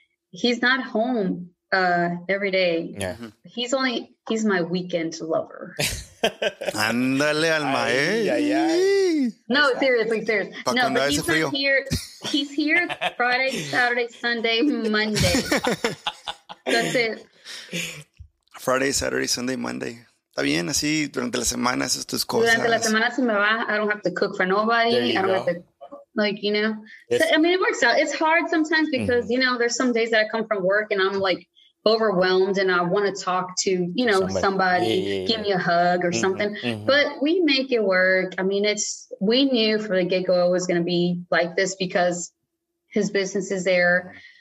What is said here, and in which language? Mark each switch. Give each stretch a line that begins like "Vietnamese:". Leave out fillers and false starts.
English: He's not home every day. Yeah. He's my weekend lover.
Spanish: Andale, alma,
English: No, seriously. No, but he's here Friday, Saturday, Sunday, Monday. That's it. Friday, Saturday, Sunday, Monday.
Spanish: Está bien, así durante la semana haces tus cosas. Durante la semana se me va.
English: I don't have to cook for nobody. Like, you know, so, I mean, it works out. It's hard sometimes because, you know, there's some days that I come from work and I'm like overwhelmed and I want to talk to, you know, somebody. Give me a hug or something, but we make it work. I mean, we knew from the get-go it was going to be like this because his business is there.